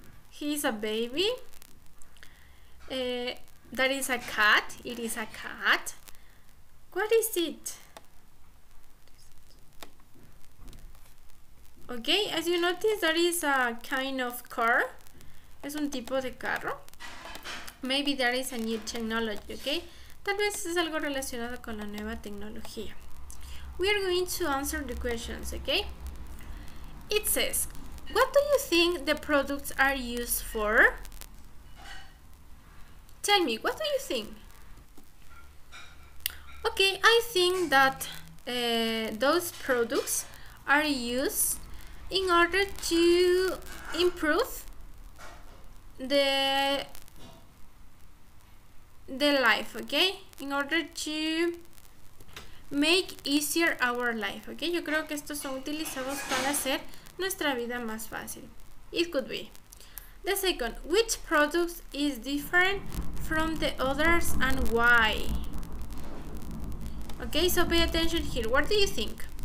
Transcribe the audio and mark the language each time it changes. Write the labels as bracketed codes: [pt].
[en] He's a baby. That is a cat. It is a cat. What is it? Okay, as you notice, that is a kind of car. [es] Es un tipo de carro. [en] Maybe that is a new technology, okay? [es] Tal vez es algo relacionado con la nueva tecnología. [en] We are going to answer the questions, okay? It says, what do you think the products are used for? Tell me, what do you think? Okay, I think that those products are used in order to improve the life, okay? In order to make easier our life, okay? [es] Yo creo que estos son utilizados para hacer nuestra vida más fácil. [en] It could be. The second, which product is different from the others and why? Okay, so pay attention here. What do you think?